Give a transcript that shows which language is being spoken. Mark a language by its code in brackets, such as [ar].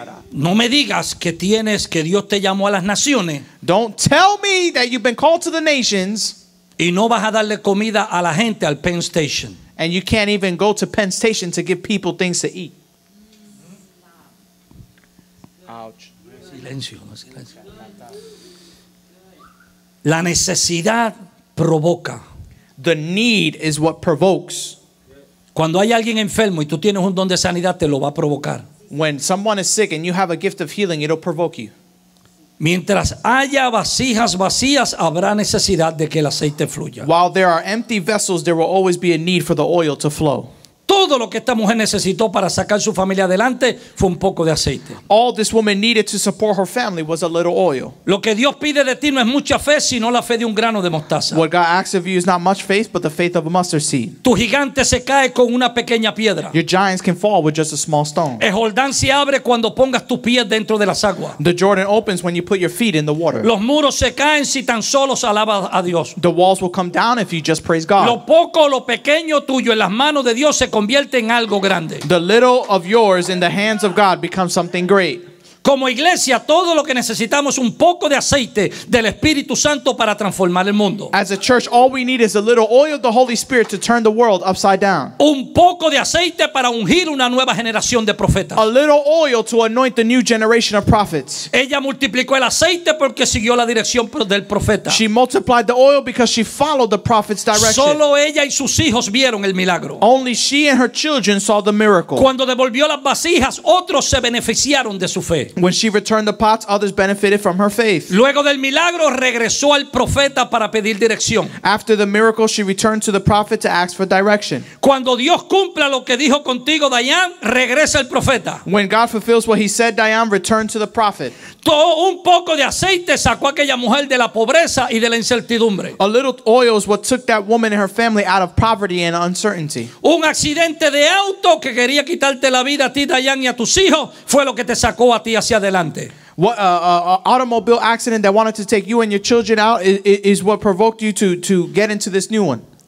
[es] No me digas que tienes que Dios te llamó a las naciones. [en] Don't tell me that you've been called to the nations. [es] Y no vas a darle comida a la gente al Penn Station. [en] And you can't even go to Penn Station to give people things to eat. Ouch. [es] Silencio, no silencio. La necesidad provoca. [en] The need is what provokes. [es] Cuando hay alguien enfermo y tú tienes un don de sanidad, te lo va a provocar. [en] When someone is sick and you have a gift of healing, it'll provoke you. [es] Mientras haya vasijas vacías, habrá necesidad de que el aceite fluya. [en] While there are empty vessels, there will always be a need for the oil to flow. [es] Todo lo que esta mujer necesitó para sacar su familia adelante fue un poco de aceite. [en] All this woman needed to support her family was a little oil. [es] Lo que Dios pide de ti no es mucha fe, sino la fe de un grano de mostaza. [en] What God asks of you is not much faith, but the faith of a mustard seed. [es] Tu gigante se cae con una pequeña piedra. [en] Your giants can fall with just a small stone. [es] El Jordán se abre cuando pongas tus pies dentro de las aguas. [en] The Jordan opens when you put your feet in the water. [es] Los muros se caen si tan solo alabas a Dios. [en] The walls will come down if you just praise God. [es] Lo poco, lo pequeño tuyo en las manos de Dios se convierte en algo grande. [en] The little of yours in the hands of God becomes something great. [es] Como iglesia, todo lo que necesitamos es un poco de aceite del Espíritu Santo para transformar el mundo. [en] As a church, all we need is a little oil of the Holy Spirit to turn the world upside down. [es] Un poco de aceite para ungir una nueva generación de profetas. [en] A little oil to anoint the new generation of prophets. [es] Ella multiplicó el aceite porque siguió la dirección del profeta. [en] She multiplied the oil because she followed the prophet's direction. [es] Solo ella y sus hijos vieron el milagro. [en] Only she and her children saw the miracle. [es] Cuando devolvió las vasijas, otros se beneficiaron de su fe. [en] When she returned the pots, others benefited from her faith. [es] Luego del milagro, regresó al profeta para pedir dirección. [en] After the miracle, she returned to the prophet to ask for direction. [es] Cuando Dios cumpla lo que dijo contigo, Diane, regresa al profeta. [en] When God fulfills what he said, Diane, return to the prophet. [es] Todo un poco de aceite sacó a aquella mujer de la pobreza y de la incertidumbre. [en] A little oil is what took that woman and her family out of poverty and uncertainty. [es] Un accidente de auto que quería quitarte la vida a ti, Diane, y a tus hijos, fue lo que te sacó a ti hacia adelante. [en] What automobile accident that wanted to take you and your children out is what provoked you to get into this new one.